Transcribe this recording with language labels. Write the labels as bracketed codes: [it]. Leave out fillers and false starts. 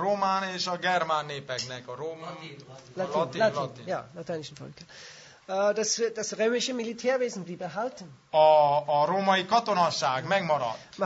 [hu] Roman és a germán népeknek, a [de] lateinischen Völker. Das römische Militärwesen blieb erhalten. [hu] A római katonasság megmaradt.